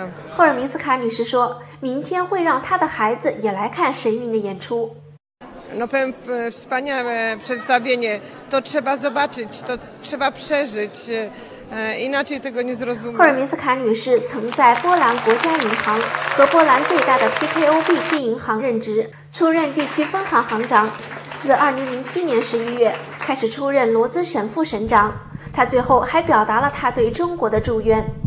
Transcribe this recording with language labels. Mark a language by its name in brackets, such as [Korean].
[Chinese] 赫尔明斯卡女士说明天会让她的孩子也来看神韵的演出。 [Polish] No, powiem, wspaniałe przedstawienie. To trzeba zobaczyć, to trzeba przeżyć, inaczej tego nie zrozumie. [Chinese] 赫尔明斯卡女士曾在波兰国家银行和波兰最大的 PKOB 地银行任职，出任地区分行行长，自2007年11月开始出任罗兹省副省长。他最后还表达了他对中国的祝愿。